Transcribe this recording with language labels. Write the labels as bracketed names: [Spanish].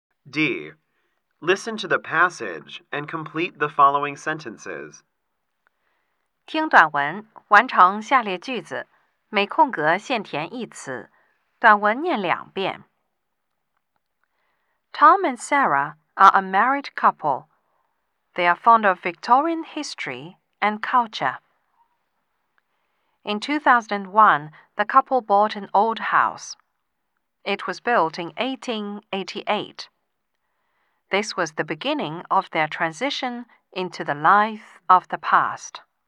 [English] D. Listen to the passage and complete the following sentences. [Chinese] 听短文，完成下列句子，每空格限填一词，短文念两遍。 [English] Tom and Sarah are a married couple. They are fond of Victorian history and culture. In 2001, the couple bought an old house. It was built in 1888. This was the beginning of their transition into the life of the past.